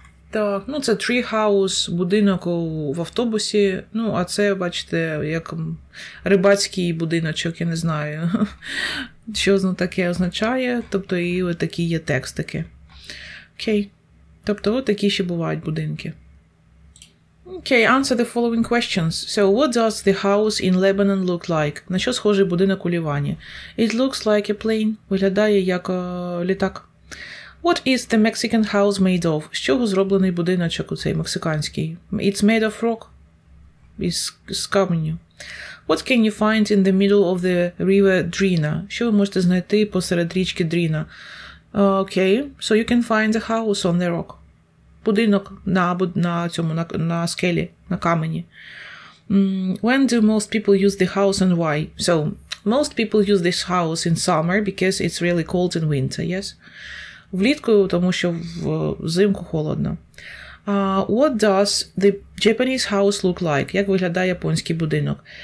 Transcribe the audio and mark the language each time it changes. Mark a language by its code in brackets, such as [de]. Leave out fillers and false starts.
[uk] Так, ну це treehouse, будинок в автобусі. Ну, а це, бачите, як рибацький будиночок, я не знаю, що воно таке означає. Тобто, і отакі є текстики. Окей. Тобто, отакі ще бувають будинки. [en] Okay, answer the following questions. So, what does the house in Lebanon look like? [uk] На що схожий будинок у Лівані? [en] It looks like a plane. [uk] Виглядає як літак. [en] What is the Mexican house made of? [uk] З чого зроблений будиночок у цей мексиканський? [en] It's made of rock. [uk] Із каменю. [en] What can you find in the middle of the river Drina? [uk] Що ви можете знайти посеред річки Дріна? [en] Okay, so you can find a house on the rock. [uk] Будинок на скелі, на камені. [en] When do most people use the house and why? So, Most people use this house in summer because it's really cold in winter, yes? [uk] Влітку, тому що взимку холодно. [en] What does the Japanese house look like? [uk] Як виглядає японський будинок?